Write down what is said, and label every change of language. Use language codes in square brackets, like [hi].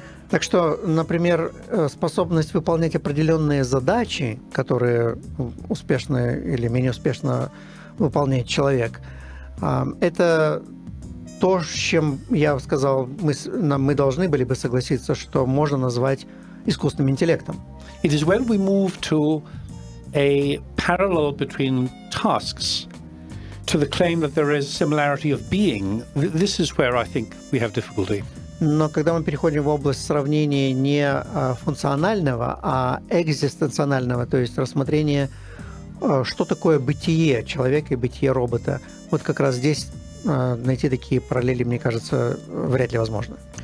[ru] Так что, например, способность выполнять определенные задачи, которые успешно или менее успешно выполняет человек, это то, с чем я сказал, мы должны были бы согласиться, что можно назвать искусственным интеллектом. [en] It is when we move to a parallel between tasks to the claim that there is similarity of being, this is where I think we have difficulty. [ru] Но когда мы переходим в область сравнения не функционального, а экзистенционального, то есть рассмотрения, что такое бытие человека и бытие робота, вот как раз здесь найти такие параллели, мне кажется, вряд ли возможно.